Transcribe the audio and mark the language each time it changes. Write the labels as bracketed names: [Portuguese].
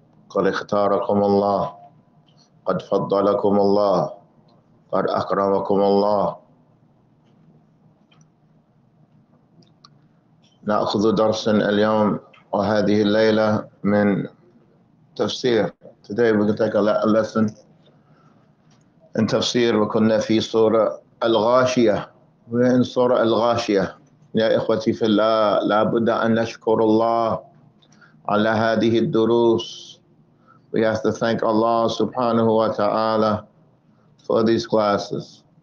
[Arabic] قد اختاركم الله، قد فضلكم الله، قد أكرمكم الله. نأخذ درسا اليوم وهذه الليلة من تفسير. [English] Today we're going to take a lesson in تفسير. [Arabic] وكنا في سورة الغاشية. [English] We're in [Arabic] سورة الغاشية. يا إخوتي في الله، لابد أن نشكر الله على هذه الدروس. [English] We have to thank Allah subhanahu wa ta'ala for these classes.